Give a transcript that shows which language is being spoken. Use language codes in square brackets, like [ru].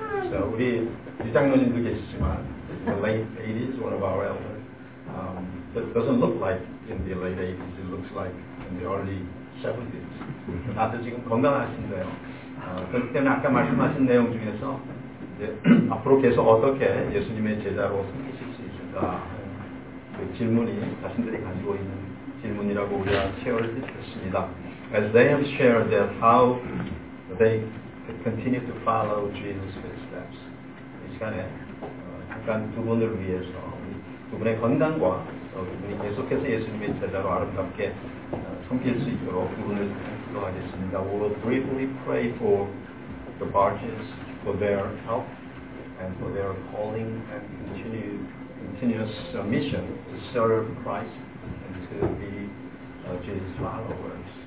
[en] So [ko] 우리 이장로님도 계시지만 [en] the late 80s, one of our elders, that doesn't look like in the late 80s, it looks like in the early 70s. [ko] 나도 지금 건강하신데요. 그렇기 때문에 아까 말씀하신 내용 중에서 이제 앞으로 계속 어떻게 예수님의 제자로 섬기실 수 있을까 그 질문이 자신들이 가지고 있는 질문이라고 우리가 채워드렸습니다. [en] As they have shared that how they continue to follow Jesus' footsteps. [ko] 이 시간에 잠깐 두 분을 위해서 두 분의 건강과 두 분이 계속해서 예수님의 제자로 아름답게 섬길 수 있도록 두 분을 기도하겠습니다. [en] We will briefly pray for the barges, for their help, and for their calling and continuous mission to serve Christ and to be Jesus' followers.